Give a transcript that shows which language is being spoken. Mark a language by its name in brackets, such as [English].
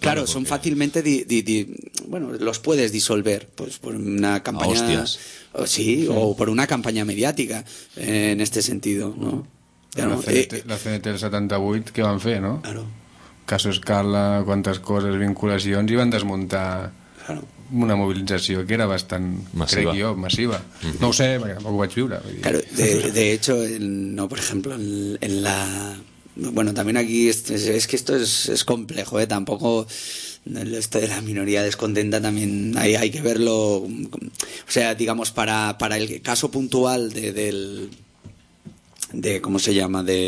[Spanish] Claro, porque... son fácilmente... bueno, los puedes disolver pues por una campaña... Hostias. Sí, o por una campaña mediática, en este sentido, ¿no? Claro, la CNT del 78, ¿qué [Catalan] van fer, [Spanish] no? Claro. [Catalan] Caso Escala, quantes coses, vinculacions, i van desmuntar, [Spanish] claro, [Catalan] una mobilització que era bastant massiva. Crec jo, massiva. Mm-hmm. No ho sé, perquè tampoc ho vaig viure. Vull dir. [Spanish] Claro, de hecho, no, por ejemplo, en la... Bueno, también aquí es que esto es complejo, ¿eh? Tampoco esto de la minoría descontenta también hay que verlo. O sea, digamos, para el caso puntual de ¿cómo se llama?